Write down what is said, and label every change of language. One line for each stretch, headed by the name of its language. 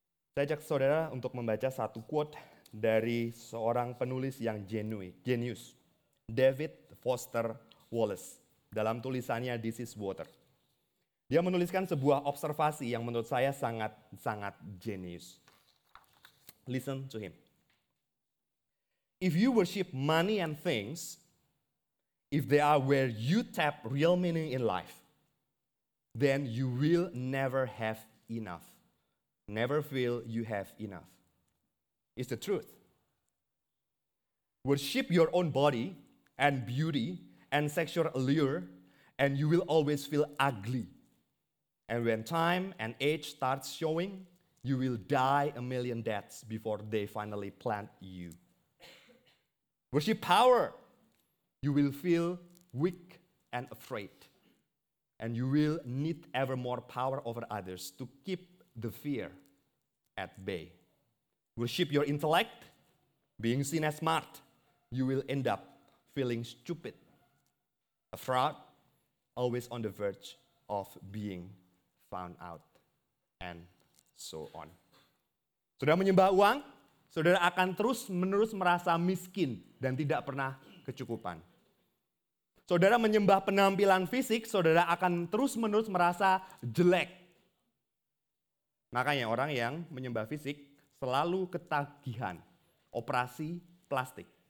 Indonesian: Saya ajak saudara untuk membaca satu quote dari seorang penulis yang genius, David Foster Wallace, dalam tulisannya This is Water. Dia menuliskan sebuah observasi yang menurut saya sangat-sangat genius.
English: Listen to him. If you worship money and things, if they are where you tap real meaning in life, then you will never have enough. Never feel you have enough. It's the truth. Worship your own body and beauty and sexual allure, and you will always feel ugly. And when time and age starts showing, you will die a million deaths before they finally plant you. Worship power. You will feel weak and afraid, and you will need ever more power over others to keep the fear at bay. Worship your intellect, being seen as smart, you will end up feeling stupid, a fraud, always on the verge of being found out, and so on.
Indonesian: Sudah menyembah uang, saudara akan terus-menerus merasa miskin dan tidak pernah kecukupan. Saudara menyembah penampilan fisik, saudara akan terus-menerus merasa jelek. Makanya orang yang menyembah fisik selalu ketagihan, operasi plastik.